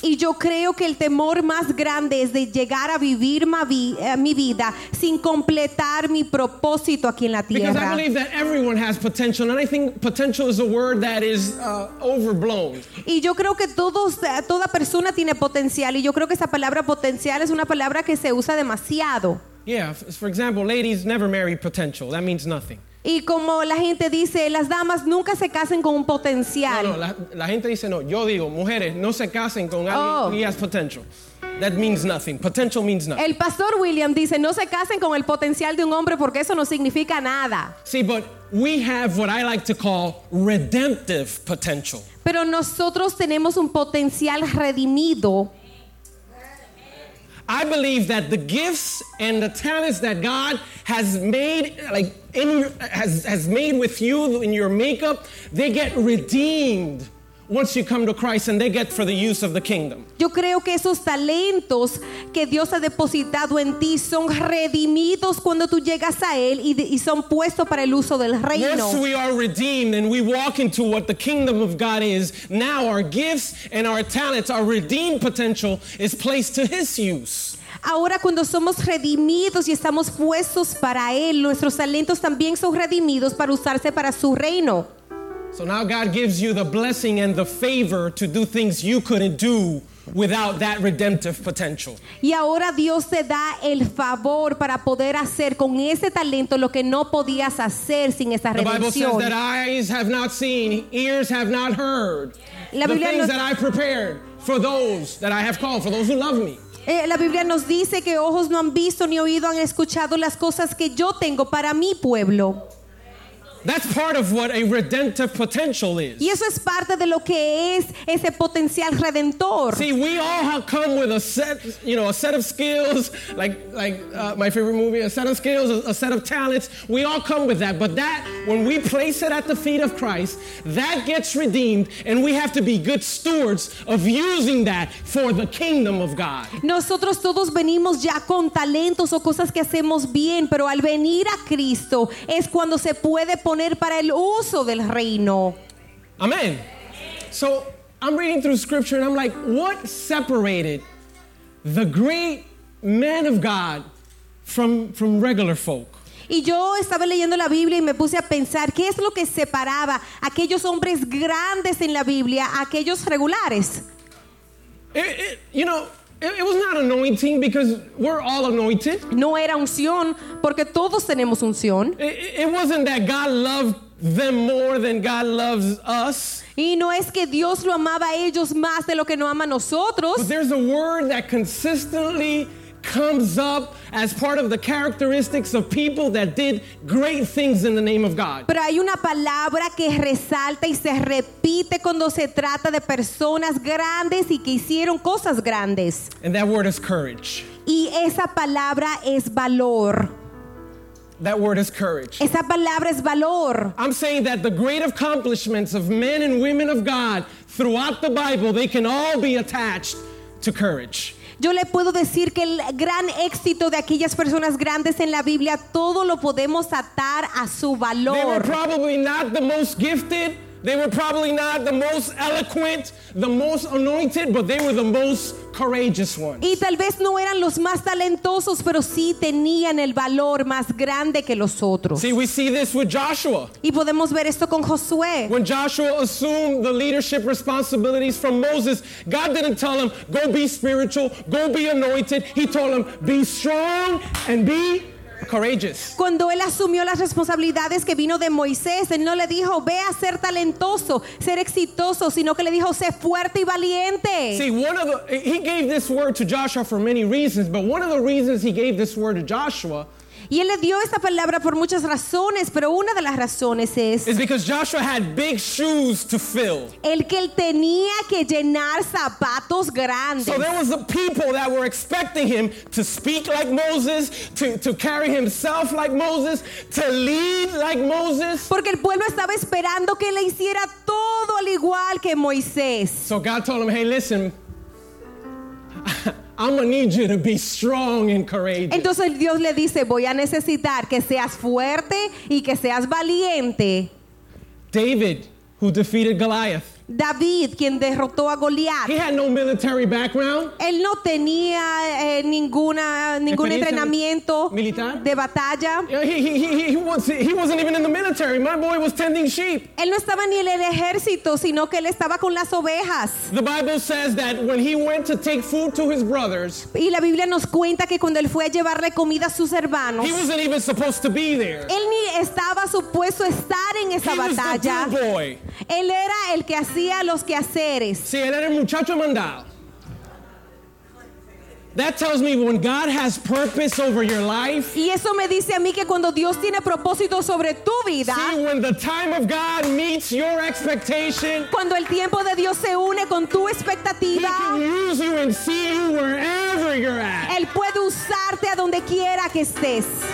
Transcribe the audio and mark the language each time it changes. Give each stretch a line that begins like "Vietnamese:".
Spanish: Y yo creo que el temor más grande es de llegar a vivir mi vida sin completar mi propósito aquí en la tierra.
English: Because I believe that everyone has potential, and I think potential is a word that is overblown.
Spanish: Y yo creo que toda persona tiene potencial, y yo creo que esa palabra potencial es una palabra que se usa demasiado.
English: Yeah, for example, ladies never marry potential. That means nothing.
Spanish: Y como la gente dice, las damas nunca se casen con un potencial. No, la gente dice no. Yo digo, mujeres, no se casen con alguien que
English: has potential. That means nothing.
Spanish: Potential means nothing. El pastor William dice, no se casen con el potencial de un hombre porque eso no significa nada.
English: See, but we have what I like to call redemptive potential.
Spanish: Pero nosotros tenemos un potencial redimido.
English: I believe that the gifts and the talents that God has made, like in your, has made with you in your makeup, they get redeemed once you come to Christ, and they get for the use of the kingdom.
Spanish: Yo creo que esos talentos que Dios ha depositado en ti son redimidos cuando tú llegas a él y son puestos para el uso del reino.
English: Once we are redeemed and we walk into what the kingdom of God is, now our gifts and our talents, our redeemed potential is placed to his use.
Spanish: Ahora cuando somos redimidos y estamos puestos para él, nuestros talentos también son redimidos para usarse para su reino.
English: So now God gives you the blessing and the favor to do things you couldn't do without that redemptive potential.
Spanish: Y ahora Dios te da el favor para poder hacer con ese talento lo que no podías hacer sin esa redención.
English: The Bible says that eyes have not seen, ears have not heard the things that I prepared for those that I have called, for those who love me.
Spanish: La Biblia nos dice que ojos no han visto ni oído han escuchado las cosas que yo tengo para mi pueblo.
English: That's part of what a redemptive potential is.
Spanish: Y eso es parte de lo que es ese potencial redentor.
English: See, we all have come with a set of skills, like my favorite movie, a set of talents. We all come with that. But that, when we place it at the feet of Christ, that gets redeemed, and we have to be good stewards of using that for the kingdom of God.
Spanish: Nosotros todos venimos ya con talentos o cosas que hacemos bien, pero al venir a Cristo es cuando se puede poner para el uso del reino.
English: Amen. So I'm reading through scripture and I'm like, what separated the great man of God from regular folk?
Spanish: Y yo estaba leyendo la Biblia y me puse a pensar, ¿qué es lo que separaba aquellos hombres grandes en la Biblia a aquellos regulares?
English: It was not anointing, because we're all anointed.
Spanish: No era unción, porque todos tenemos unción.
English: It wasn't that God loved them more than God loves us.
Spanish: Y no es que Dios lo amaba a ellos más de lo que nos ama a nosotros.
English: But there's a word that consistently comes up as part of the characteristics of people that did great things in the name of God.
Spanish: Pero hay una palabra que resalta y se repite cuando se trata de personas grandes y que hicieron cosas grandes.
English: And that word is courage.
Spanish: Y esa palabra es valor.
English: That word is courage.
Spanish: Esa palabra es valor.
English: I'm saying that the great accomplishments of men and women of God throughout the Bible, they can all be attached to courage.
Spanish: Yo le puedo decir que el gran éxito de aquellas personas grandes en la Biblia, todo lo podemos atar a su valor.
English: They were probably not the most gifted. They were probably not the most eloquent, the most anointed, but they were the most courageous ones.
Spanish: Y tal vez no eran los más talentosos, pero sí tenían el valor más grande que los otros.
English: See, we see this with Joshua.
Spanish: Y podemos ver esto con Josué.
English: When Joshua assumed the leadership responsibilities from Moses, God didn't tell him, go be spiritual, go be anointed. He told him, be strong and be courageous.
Spanish: Cuando él asumió las responsabilidades que vino de Moisés, él no le dijo, ve a ser talentoso, ser exitoso, sino que le dijo, sé fuerte y valiente.
English: See, he gave this word to Joshua for many reasons, but one of the reasons he gave this word to Joshua,
Spanish: y él le dio esta palabra por muchas razones, pero una de las razones es,
English: is because Joshua had big shoes to fill.
Spanish: El que él tenía que llenar zapatos grandes.
English: So there was the people that were expecting him to speak like Moses, to carry himself like Moses, to lead like Moses.
Spanish: Porque el pueblo estaba esperando que le hiciera todo al igual que Moisés.
English: So God told him, hey, listen, I'm gonna need you to be strong and courageous.
Spanish: Entonces Dios le dice, voy a necesitar que seas fuerte y que seas valiente.
English: David, who defeated Goliath.
Spanish: David, quien derrotó a Goliath.
English: He had no military background.
Spanish: Él no tenía ningún entrenamiento militar de batalla.
English: He wasn't even in the military. My boy was tending sheep.
Spanish: Él no estaba ni en el ejército, sino que él estaba con las ovejas.
English: The Bible says that when he went to take food to his brothers,
Spanish: y la Biblia nos cuenta que cuando él fue a llevarle comida a sus hermanos,
English: he wasn't even supposed to be there.
Spanish: Él ni estaba supuesto estar en esa batalla.
English: He was the good boy.
Spanish: Él era el que hacía los quehaceres. Sí, él era el muchacho mandado.
English: That tells me when God has purpose over your life.
Spanish: Y eso me dice a mí que cuando Dios tiene propósito sobre tu vida.
English: See, when the time of God meets your expectation.
Spanish: Cuando el tiempo de Dios se une con tu expectativa.
English: He can use you and see you wherever wherever you're at.
Spanish: Él puede usarte a donde quiera que estés.